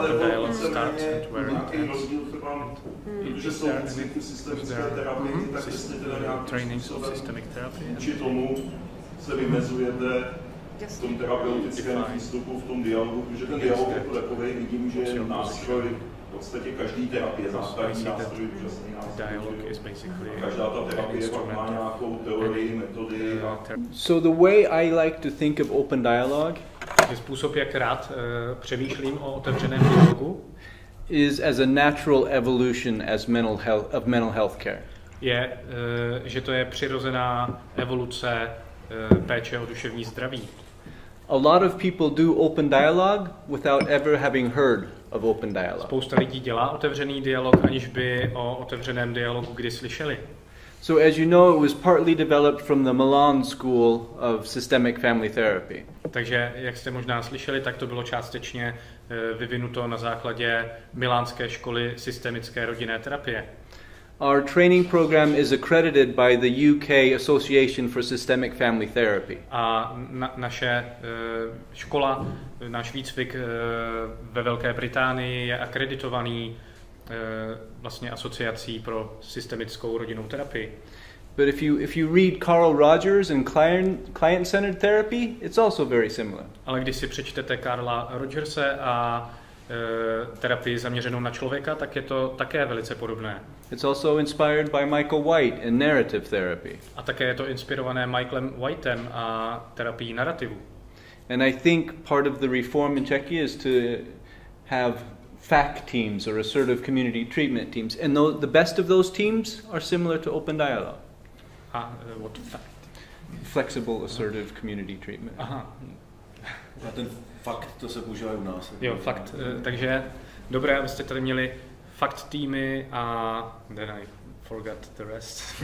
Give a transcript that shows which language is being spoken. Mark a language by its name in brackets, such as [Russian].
[Czech] No, ale nebo chceme nějaký rozdíl třeba, protože jsou úzvyky systemické terapie, tak jestli teda nějakým způsobem či tomu se vymezujete v tom terapeutickém výstupu, v tom dialogu, protože ten dialog jako takovej vidím, že je nástroj, v podstatě každý terapie základní nástroj, účastný nástroj, každá ta terapie pak má nějakou teorii, metody. [English] So the way I like to think of open dialogue, [Czech] je způsob, jak rád přemýšlím o otevřeném dialogu, [English] is as a natural evolution as mental health, of mental health care. [Czech] Je, že to je přirozená evoluce péče o duševní zdraví. [English] A lot of people do open dialogue without ever having heard of open dialogue. [Czech] Spousta lidí dělá otevřený dialog, aniž by o otevřeném dialogu kdy slyšeli. [English] So as you know, it was partly developed from the Milan School of Systemic Family Therapy. [Czech] Takže jak jste možná slyšeli, tak to bylo částečně vyvinuto na základě milánské školy systemické rodinné terapie. [English] Our training program is accredited by the UK Association for Systemic Family Therapy. [Czech] A naše škola, náš výcvik ve Velké Británii je akreditovaný vlastně asociací pro systemickou rodinnou terapii. [English] But if you read Carl Rogers and client-centered therapy, it's also very similar. [Czech] Ale když si přečtete Carla Rogerse a terapii zaměřenou na člověka, tak je to také velice podobné. [English] It's also inspired by Michael White and narrative therapy. [Czech] A také je to inspirované Michaelem Whitem a terapií narrativu. [English] And I think part of the reform in Czechia is to have FAC teams or assertive community treatment teams, and the best of those teams are similar to open dialogue. A what FAC? Flexible assertive community treatment. Aha. [Czech] A ten fakt, to se používá u nás. Jo, fakt. Takže dobré, abyste tady měli fakt týmy a [English] then I forgot the rest.